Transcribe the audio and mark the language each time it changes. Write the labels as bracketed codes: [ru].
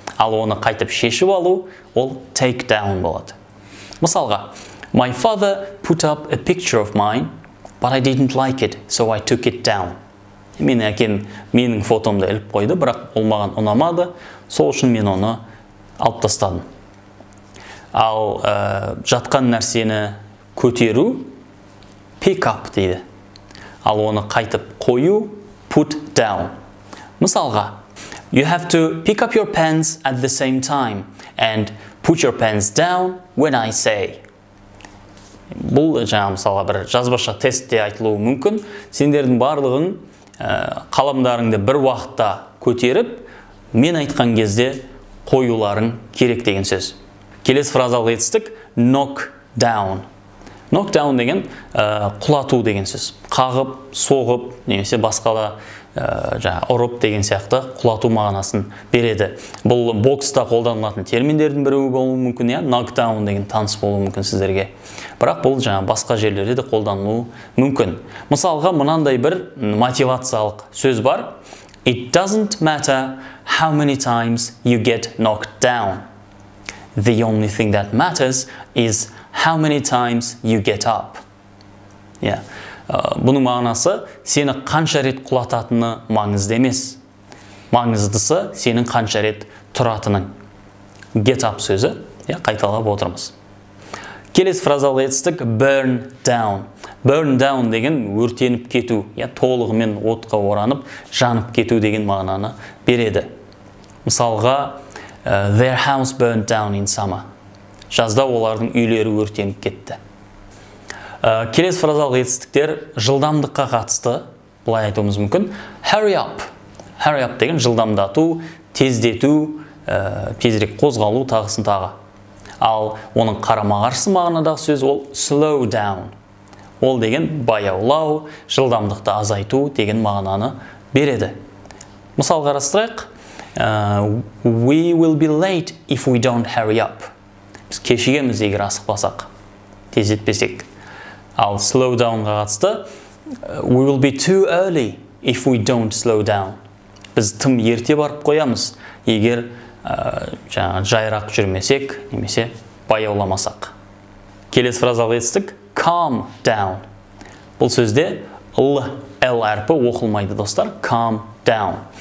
[kk] Ал оны қайтып шешіп алу, ол take down болады. Мысалға, [en] my father put up a picture of mine, but I didn't like it, so I took it down. [kk] Менің фотомды іліп қойды, бірақ ол маған ұнамады, сол үшін мен оны алып тастадым. Ал жатқан нәрсені көтеру, pick up дейді. Ал оны қайтып қою, put down. Мысалға, [en] you have to pick up your pants at the same time and put your pants down when I say. [kk] Бұл жаңа мысалға бір жазбаша тестте айтылуы мүмкін. Сендердің барлығын қаламдарыңды бір уақытта көтеріп, мен айтқан кезде қоюларың керек деген сөз. Келесі фразалық етістік knock down. Knock down деген құлату деген сөз. Қағып, соғып, немесе басқала ұрып деген сияқты құлату мағынасын береді. Бұл бокста қолданылатын терминдердің бірі болуы мүмкін, knock down деген таныс болуы мүмкін сіздерге. Бірақ бұл жаңа басқа жерлерде де қолданылуы мүмкін. Мысалға мынандай бір мотивациялық сөз бар. [en] It doesn't matter how many times you get knocked down. The only thing that matters is how many times you get up. Yeah. [kk] Бұның мағынасы, сені қанша рет құлататыны маңызды емес. Маңыздысы, сенің қанша рет тұратының. Get up сөзі, қайталап отырмыз. Келесі фразалға жеттік, burn down. Burn down деген өртеніп кету, толығымен отқа оранып, жанып кету деген мағынаны береді. Мысалға, [en] their house burned down in summer. [kk] Жазда олардың үйлері өртеніп кетті. Келесі фразалық етістіктер жылдамдыққа қатысты, бұлай айтуымыз мүмкін. Hurry up. Hurry up деген жылдамдату, тездету, тезірек қозғалу тағысын тағы. Ал оның қарама-қарсы мағынадағы сөз ол slow down. Ол деген баяулау, жылдамдықты азайту деген мағынаны береді. Мысал қарастырайық. [en] We will be late if we don't hurry up. [kk] Біз кешігеміз егер асықпасақ, тездетпесек. Ал slow down-ға қатысты, [en] we will be too early if we don't slow down. [kk] Біз тым ерте барып қоямыз, егер жайырақ жүрмесек, немесе баяуламасақ. Келесі фразалық етістік, calm down. Бұл сөзде L әрпі оқылмайды, достар, calm down.